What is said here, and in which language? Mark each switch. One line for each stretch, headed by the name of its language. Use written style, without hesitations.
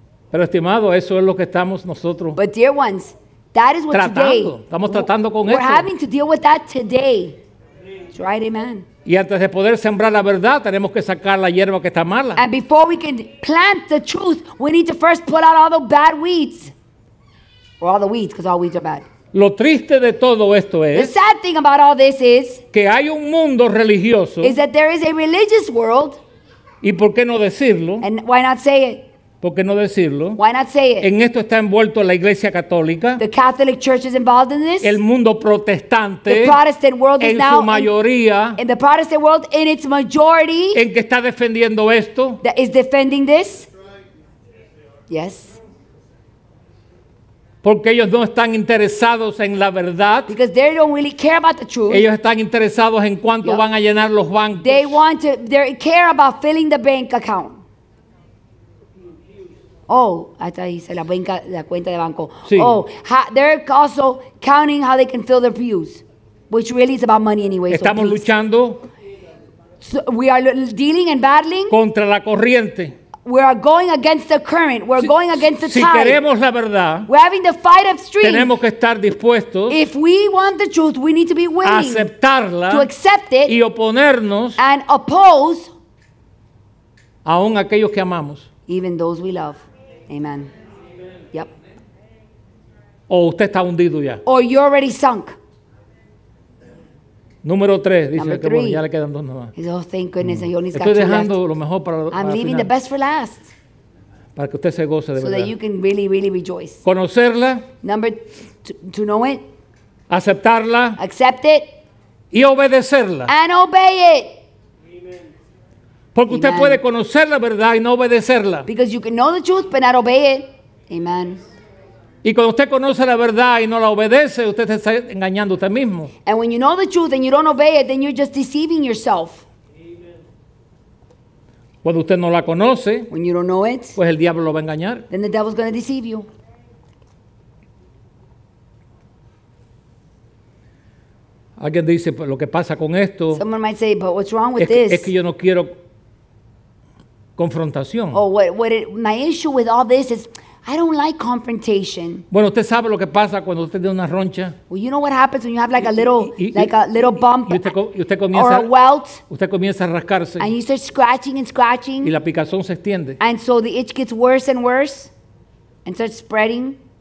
Spanish: Pero estimado, eso es lo que estamos nosotros.
English: But dear ones, that is what
Spanish: tratando.
English: Today.
Spanish: Estamos tratando con
English: we're
Spanish: esto.
English: Having to deal with that today. Right, amen.
Spanish: Y antes de poder sembrar la verdad, tenemos que sacar la hierba que está mala.
English: And before we can plant the truth, we need to first pull out all the bad weeds. Or all the weeds, because all weeds are bad.
Spanish: Lo triste de todo esto es.
English: The sad thing about all this is.
Spanish: Que hay un mundo religioso.
English: Is that there is a religious world.
Spanish: ¿Y por qué no decirlo?
English: And why not say it?
Spanish: ¿Por qué no decirlo?
English: Why not say it?
Spanish: En esto está envuelto la Iglesia Católica.
English: The Catholic Church is involved in this.
Spanish: El mundo protestante.
English: The Protestant world
Spanish: en
English: is now
Spanish: su mayoría.
English: In the Protestant world in its majority.
Spanish: En que está defendiendo esto.
English: That is defending this. Yes.
Spanish: Porque ellos no están interesados en la verdad.
English: Because they don't really care about the truth.
Spanish: Ellos están interesados en cuánto van a llenar los bancos.
English: They want to, they care about filling the bank account.
Spanish: Oh, hasta dice la banca, la cuenta de banco. Sí.
English: Oh, they're also counting how they can fill their pews, which really is about money anyway.
Spanish: Estamos
English: so
Spanish: luchando.
English: So we are dealing and battling.
Spanish: Contra la corriente.
English: We are going against the current. We're
Spanish: si,
English: going against the
Spanish: si
English: tide.
Spanish: Queremos la verdad.
English: We're having the fight upstream.
Spanish: Tenemos que estar dispuestos.
English: If we want the truth, we need to be willing.
Spanish: Aceptarla.
English: To accept it.
Spanish: Y oponernos.
English: And oppose.
Spanish: Aún aquellos que amamos.
English: Even those we love. Amen.
Spanish: o usted está hundido ya.
English: Or you're already sunk.
Spanish: Número tres, dice que bueno, ya le quedan dos nomás.
English: He says, oh, thank goodness, mm. only
Spanish: estoy dejando lo mejor para
English: I'm leaving final. The best for last.
Spanish: Para que usted se goce de
English: so
Spanish: verdad.
English: So that you can really, really rejoice.
Spanish: Conocerla.
English: Number to know it.
Spanish: Aceptarla.
English: Accept it.
Spanish: Y obedecerla.
English: And obey it.
Spanish: Porque Amen. Usted puede conocer la verdad y no obedecerla.
English: Because you can know the truth but not obey it. Amen.
Spanish: Y cuando usted conoce la verdad y no la obedece, usted está engañando a usted mismo.
English: And when you know the truth and you don't obey it, then you're just deceiving yourself.
Spanish: Amen. Cuando usted no la conoce,
English: when you don't know it,
Spanish: pues el diablo lo va a engañar.
English: Then the devil's going to deceive you.
Spanish: Alguien dice, pues, lo que pasa con esto.
English: Someone might say, but what's wrong with
Spanish: es que,
English: this?
Spanish: Es que yo no quiero confrontación.
English: Oh, my issue with all this is I don't like confrontation.
Spanish: Bueno, usted sabe lo que pasa cuando usted tiene una roncha.
English: Well, you know what happens when you have like a little, like a little bump
Spanish: usted comienza,
English: or a welt.
Spanish: Usted comienza a rascarse.
English: And you start scratching and scratching.
Spanish: Y la picazón se extiende.
English: And so the itch gets worse and worse and starts spreading.